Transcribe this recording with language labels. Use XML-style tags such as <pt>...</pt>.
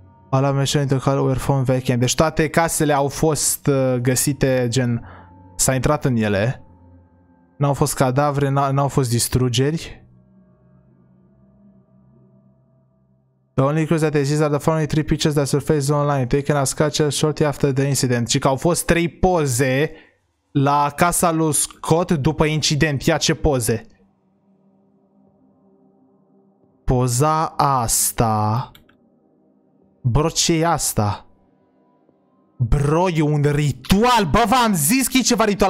<ro>Ala mașina într-o caloriferon veche. Deci toate casele au fost găsite, gen s-a intrat în ele. N-au fost cadavre, n-au fost distrugeri.</ro> <en>The only clues that exist are the following three pictures that surfaced online taken as catches shortly after the incident.</en> <ro>Deci au fost 3 poze la casa lui Scott după incident. Ia ce poze. poza asta. Bro, ce e asta? Bro, e un ritual. Bă, v-am zis că e ceva ritual.</ro>